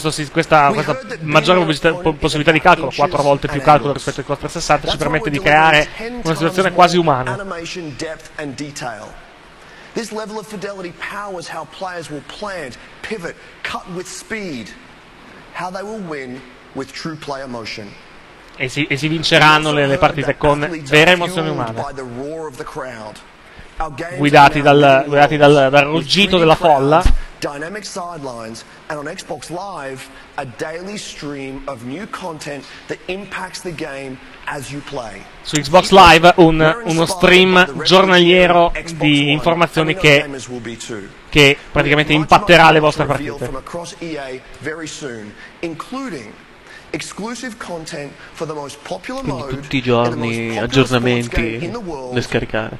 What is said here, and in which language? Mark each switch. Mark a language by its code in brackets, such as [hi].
[it] Questa maggiore possibilità di calcolo, 4 volte più calcolo rispetto ai 460, ci permette di creare una situazione quasi umana. [en] This level of fidelity powers how players will plant, pivot, cut with speed. How they will win with true player motion. [it] e si vinceranno le partite con vera emozione umana, guidati dal ruggito della folla. [en] Dynamic sidelines and on Xbox Live, a daily stream of new content that impacts the game as you play. [it] Su Xbox Live uno stream giornaliero di informazioni che praticamente impatterà le vostre partite. Quindi tutti i giorni aggiornamenti da scaricare.